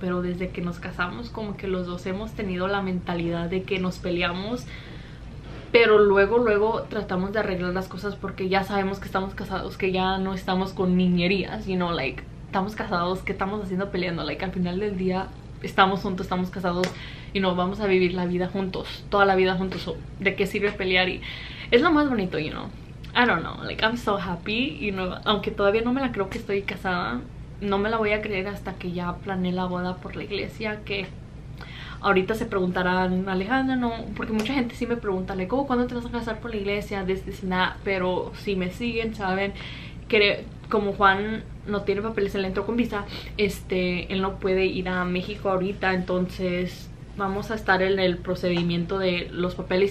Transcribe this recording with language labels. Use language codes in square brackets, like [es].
[es] Pero desde que nos casamos, como que los dos hemos tenido la mentalidad de que nos peleamos, pero luego, luego tratamos de arreglar las cosas porque ya sabemos que estamos casados, que ya no estamos con niñerías, [en] you know, like, [es] estamos casados, ¿qué estamos haciendo peleando? Like, al final del día estamos juntos, estamos casados y no vamos a vivir la vida juntos, toda la vida juntos. ¿De qué sirve pelear? Y es lo más bonito, [en] you know. I don't know, like, I'm so happy, you know. [es] Aunque todavía no me la creo que estoy casada, no me la voy a creer hasta que ya planeé la boda por la iglesia. Que ahorita se preguntarán, Alejandra, no, porque mucha gente sí me pregunta, [en] like, oh, [es] ¿cuándo te vas a casar por la iglesia? [en] This, this, and that. [es] Pero si me siguen, saben que como Juan no tiene papeles, él entró con visa, este, él no puede ir a México ahorita, entonces vamos a estar en el procedimiento de los papeles.